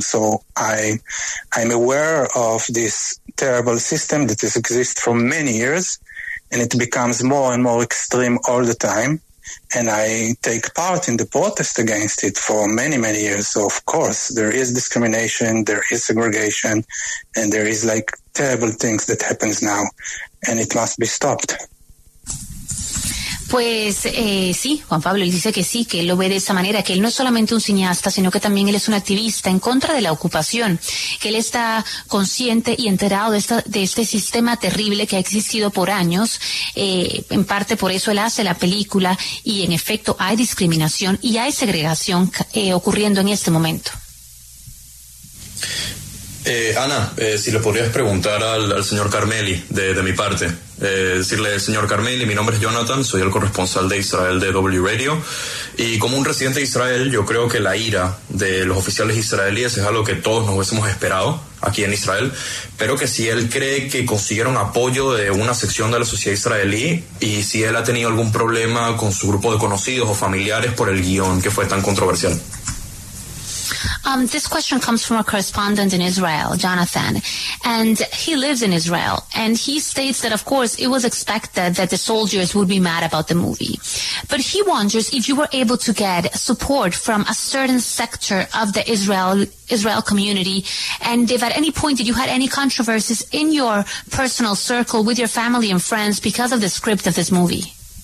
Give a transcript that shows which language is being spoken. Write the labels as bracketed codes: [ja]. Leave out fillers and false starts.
[en] So I'm aware of this terrible system that has existed for many years, and it becomes more and more extreme all the time. and I take part in the protest against it for many, many years. So of course, there is discrimination, there is segregation, and there is like terrible things that happens now, and it must be stopped. [es] Pues sí, Juan Pablo, él dice que sí, que él lo ve de esa manera, que él no es solamente un cineasta, sino que también él es un activista en contra de la ocupación, que él está consciente y enterado de este sistema terrible que ha existido por años, en parte por eso él hace la película, y en efecto hay discriminación y hay segregación ocurriendo en este momento. Ana, si le podrías preguntar al señor Carmeli de mi parte. Decirle, señor Carmeli, mi nombre es Jonathan, soy el corresponsal de Israel de W Radio. Y como un residente de Israel, yo creo que la ira de los oficiales israelíes es algo que todos nos hubiésemos esperado aquí en Israel. Pero que si él cree que consiguieron apoyo de una sección de la sociedad israelí, y si él ha tenido algún problema con su grupo de conocidos o familiares por el guión que fue tan controversial. [en] This question comes from a correspondent in Israel, Jonathan, and he lives in Israel, and he states that, of course, it was expected that the soldiers would be mad about the movie. But he wonders if you were able to get support from a certain sector of the Israel community, and if at any point did you had any controversies in your personal circle with your family and friends because of the script of this movie?